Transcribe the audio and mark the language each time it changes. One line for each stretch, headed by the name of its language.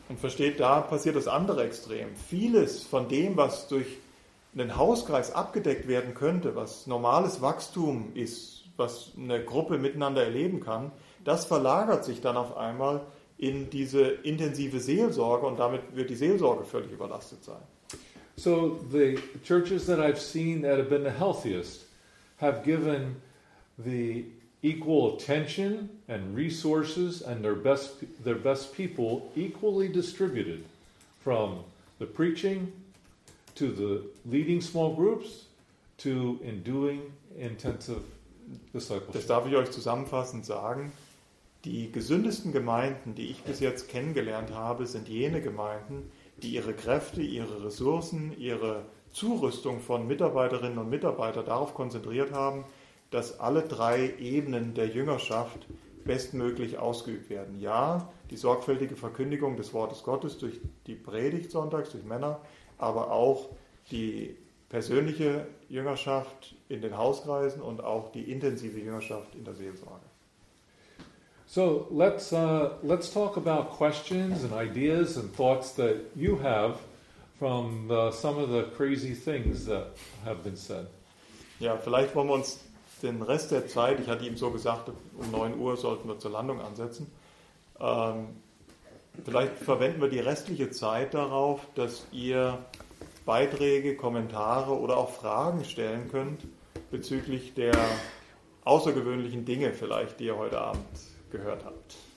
German: Und versteht, da passiert das andere Extrem. Vieles von dem, was durch einen Hauskreis abgedeckt werden könnte, was normales Wachstum ist, was eine Gruppe miteinander erleben kann, das verlagert sich dann auf einmal in diese intensive Seelsorge und damit wird die Seelsorge völlig überlastet sein.
English: So the churches that I've seen that have been the healthiest have given the equal attention and resources and their best people equally distributed from the preaching to the leading small groups, to in doing intensive discipleship.
German: Das darf ich euch zusammenfassend sagen. Die gesündesten Gemeinden, die ich bis jetzt kennengelernt habe, sind jene Gemeinden, die ihre Kräfte, ihre Ressourcen, ihre Zurüstung von Mitarbeiterinnen und Mitarbeitern darauf konzentriert haben, dass alle drei Ebenen der Jüngerschaft bestmöglich ausgeübt werden. Ja, die sorgfältige Verkündigung des Wortes Gottes durch die Predigt sonntags, durch Männer, aber auch die persönliche Jüngerschaft in den Hauskreisen und auch die intensive Jüngerschaft in der Seelsorge.
English: So, let's talk about questions and ideas and thoughts that you have from some of the crazy things that have been said.
German: Ja, vielleicht wollen wir uns den Rest der Zeit, ich hatte ihm so gesagt, um 9 Uhr sollten wir zur Landung ansetzen, vielleicht verwenden wir die restliche Zeit darauf, dass ihr Beiträge, Kommentare oder auch Fragen stellen könnt bezüglich der außergewöhnlichen Dinge vielleicht, die ihr heute Abend gehört habt.